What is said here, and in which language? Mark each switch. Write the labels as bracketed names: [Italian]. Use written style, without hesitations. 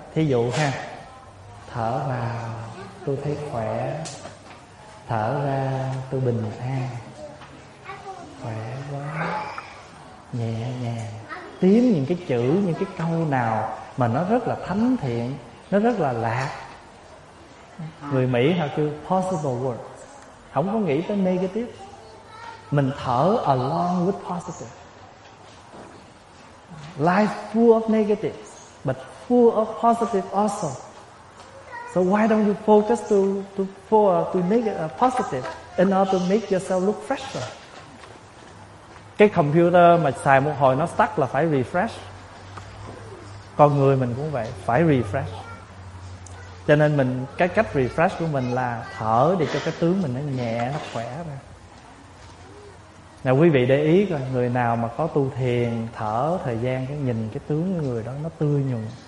[Vietnamese] Thí dụ ha: thở vào tôi thấy khỏe, thở ra tôi bình an, khỏe quá, nhẹ nhàng. Tiếng những cái chữ, những cái câu nào mà nó rất là thánh thiện, nó rất là lạc. Người Mỹ họ kêu [English] possible words, [Vietnamese] không có nghĩ tới negative. Mình thở [English] along with positive. Life full of negatives but full of positive also. So why don't you focus to make it a positive in order to make yourself look fresher? [Vietnamese] Cái computer mà xài một hồi nó stuck là phải refresh. Con người mình cũng vậy, phải refresh. Cho nên mình cái cách refresh của mình là thở để cho cái tướng mình nó nhẹ, nó khỏe ra. Nào quý vị để ý coi, người nào mà có tu thiền thở thời gian, cái nhìn cái tướng của người đó nó tươi nhuận.